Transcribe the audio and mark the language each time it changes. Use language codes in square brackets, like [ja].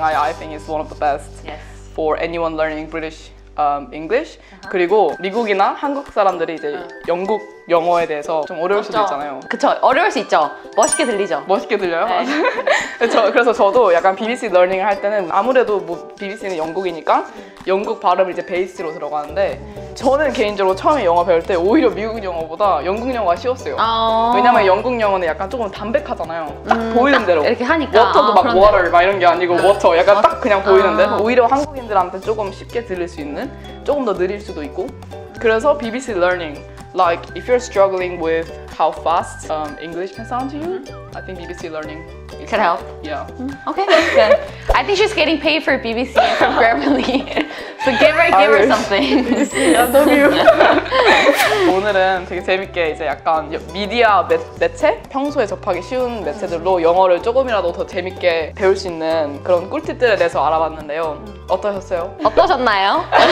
[en] I think is one of the best for anyone learning British English. Uh-huh. [ko] 그리고 미국이나 한국 사람들이 이제 영국 영어에 대해서 좀 어려울 수도 있잖아요. 그쵸, 어려울 수 있죠. 멋있게 들리죠. 멋있게 들려요. 그래서 저도 약간 BBC 러닝을 할 때는 아무래도 뭐 BBC는 영국이니까 영국 발음을 이제 베이스로 들어가는데 저는 개인적으로 처음에 영어 배울 때 오히려 미국 영어보다 영국 영어가 쉬웠어요. 왜냐면 영국 영어는 약간 조금 담백하잖아요. 딱 보이는 대로. 이렇게 하니까. 워터도 막 water 막 이런 게 아니고 워터 약간 딱 그냥 보이는데 오히려 한국인들한테 조금 쉽게 들을 수 있는 조금 더 느릴 수도 있고 그래서 [en] BBC Learning, like if you're struggling with how fast English can sound to you, I think BBC Learning could help. Yeah. Okay, that's good. I think she's getting paid for BBC from Grammarly. So give her something. BBC, I love you. [ko] 오늘은 되게 재밌게 이제 약간 미디어 매체? 평소에 접하기 쉬운 매체들로 영어를 조금이라도 더 재밌게 배울 수 있는 그런 꿀팁들에 대해서 알아봤는데요. 어떠셨어요? 어떠셨나요?